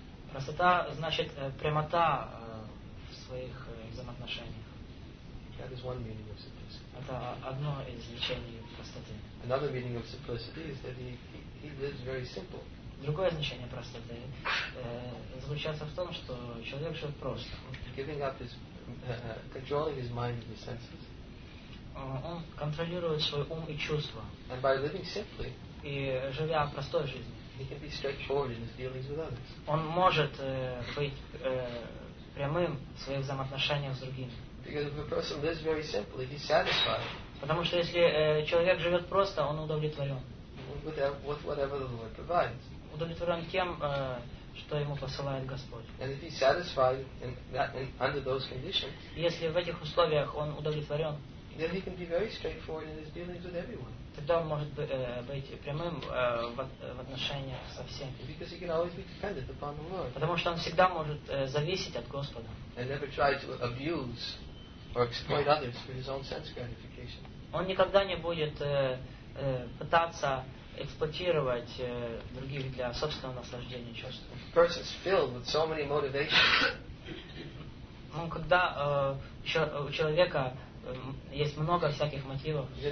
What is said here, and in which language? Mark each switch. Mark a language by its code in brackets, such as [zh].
[ru] Простота значит прямота в своих взаимоотношениях. [en] That is one meaning of simplicity. [ru] Это одно из значений простоты. [en] Another meaning of simplicity is that he lives very simple. [ru] Другое значение простоты заключается в том, что человек живет просто. [en] Giving up his controlling his mind and his senses. [ru] Он контролирует свой ум и чувства. [en] And by living simply. [ru] И живя простой жизнью. [en] He can be straightforward in his dealings with others. [ru] Он может быть прямым в своих взаимоотношениях с другими. [en] Because if a person lives very simply, he's satisfied. [ru] Потому что если человек живет просто, он удовлетворен. [en] With whatever the Lord provides. [ru] Удовлетворен тем, что ему посылает Господь. [en] And if he's satisfied under those conditions. [ru] Если в этих условиях он удовлетворен. [en] Then he can be very straightforward in his dealings with everyone. [ru] Тогда он может быть прямым в отношениях со всеми. [en] Because he can always be dependent upon the Lord. [ru] Потому что он всегда может зависеть от Господа. [en] And never try to abuse or exploit others for his own sense gratification. [ru] Он никогда не будет пытаться эксплуатировать других для собственного наслаждения чувств. [en] A person is filled with so many motivations. [ru] Ну, когда у человека есть много всяких мотивов.